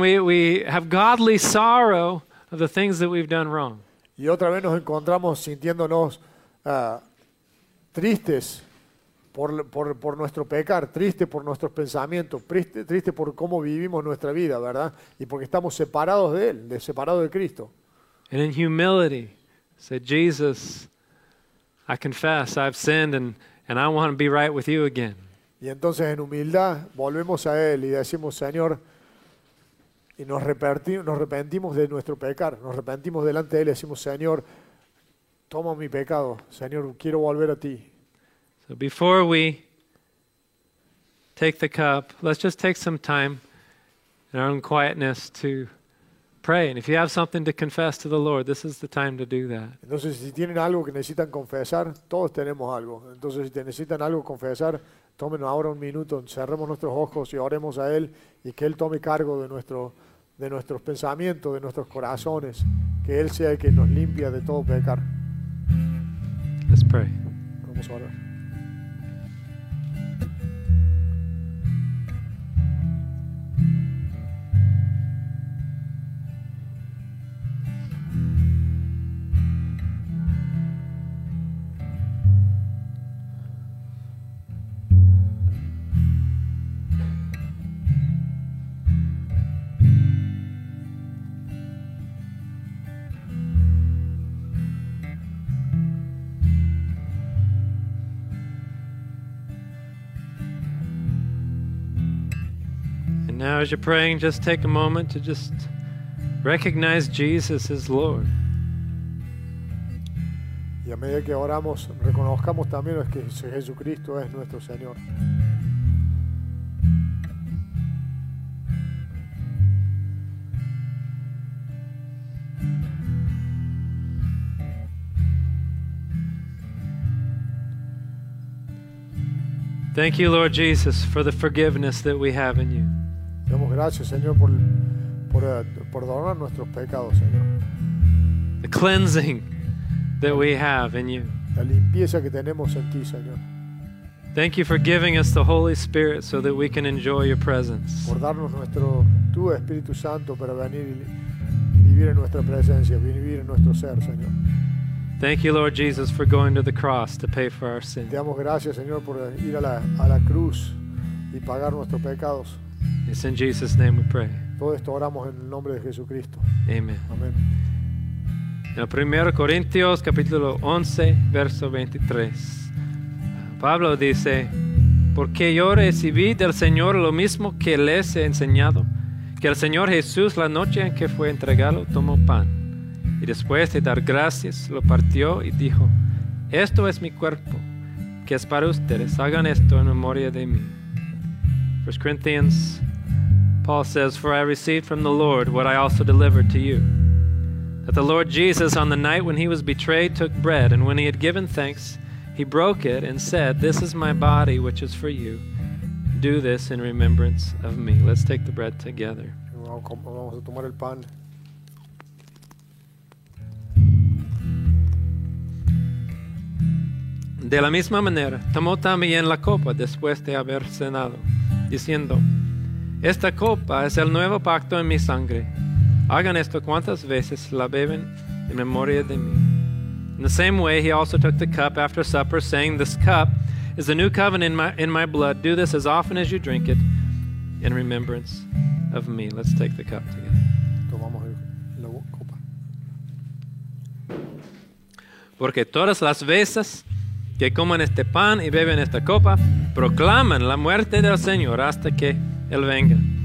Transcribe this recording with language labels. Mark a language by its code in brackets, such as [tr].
[en] We have godly sorrow of the things that we've done wrong. [es] Y otra vez nos encontramos sintiéndonos tristes por nuestro pecar, tristes por nuestros pensamientos, tristes por cómo vivimos nuestra vida, ¿verdad? Y porque estamos separados de Él, separados de Cristo. [en] And in humility, said Jesus, I confess I've sinned and I want to be right with you again. [es] Y entonces en humildad volvemos a Él y decimos, Señor, y nos arrepentimos de nuestro pecar, nos arrepentimos delante de Él y decimos, Señor, toma mi pecado, Señor, quiero volver a Ti. [en] So before we take the cup, let's just take some time in our own quietness to pray. And if you have something to confess to the Lord, this is the time to do that. [es] Entonces si tienen algo que necesitan confesar, todos tenemos algo. Entonces si necesitan algo confesar, tómenos ahora un minuto, cerremos nuestros ojos y oremos a Él y que Él tome cargo de nuestros pensamientos, de nuestros corazones, que Él sea el que nos limpia de todo pecar. [en] Let's pray. [es] Vamos a orar. [en] Now as you're praying, just take a moment to just recognize Jesus as Lord. [es] Y a medida que oramos, reconozcamos también que Jesucristo es nuestro Señor. [en] Thank you, Lord Jesus, for the forgiveness that we have in you. [es] Damos gracias, Señor, por perdonar nuestros pecados, Señor. [en] The cleansing that we have in you. [es] La limpieza que tenemos en ti, Señor. [en] Thank you for giving us the Holy Spirit so that we can enjoy your presence. [es] Por darnos tu Espíritu Santo para venir y vivir en nuestra presencia, vivir en nuestro ser, Señor. [en] Thank you, Lord Jesus, for going to the cross to pay for our sins. [es] Te damos gracias, Señor, por ir a la cruz y pagar nuestros pecados. [en] It's in Jesus' name we pray. [es] Todo esto oramos en el nombre de Jesucristo. [en] Amen. Amen. [es] En 1 Corintios, capítulo 11, verso 23. Pablo dice, porque yo recibí del Señor lo mismo que les he enseñado, que el Señor Jesús, la noche en que fue entregado, tomó pan. Y después de dar gracias, lo partió y dijo, esto es mi cuerpo, que es para ustedes. Hagan esto en memoria de mí. [en] 1 Corinthians, Paul says, for I received from the Lord what I also delivered to you. That the Lord Jesus, on the night when he was betrayed, took bread, and when he had given thanks, he broke it and said, this is my body, which is for you. Do this in remembrance of me. Let's take the bread together. [es] Vamos a tomar el pan. De la misma manera, tomó también la copa después de haber cenado, diciendo, esta copa es el nuevo pacto en mi sangre. Hagan esto cuantas veces la beben en memoria de mí. [en] In the same way, he also took the cup after supper, saying, this cup is the new covenant in my blood. Do this as often as you drink it in remembrance of me. Let's take the cup together. [es] Tomamos la copa. Porque todas las veces que coman este pan y beben esta copa, proclaman la muerte del Señor hasta que Él venga.